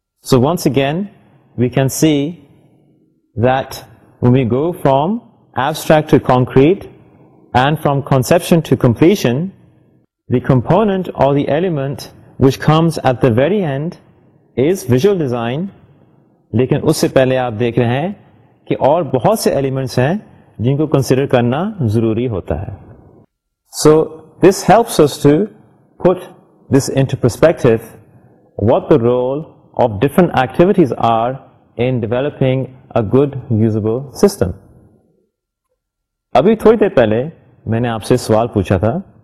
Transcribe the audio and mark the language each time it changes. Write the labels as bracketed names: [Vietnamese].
[English] So once again we can see that when we go from abstract to concrete and from conception to completion, the component or the element which comes at the very end is visual design. [Urdu] لیکن اس سے پہلے آپ دیکھ رہے ہیں کہ اور بہت سے elements ہیں جن کو consider کرنا ضروری ہوتا ہے. [English] So this helps us to put this into perspective, what the role of different activities are in developing a good usable system. [Urdu] ابھی تھوڑی دیر پہلے میں نے آپ سے سوال پوچھا تھا.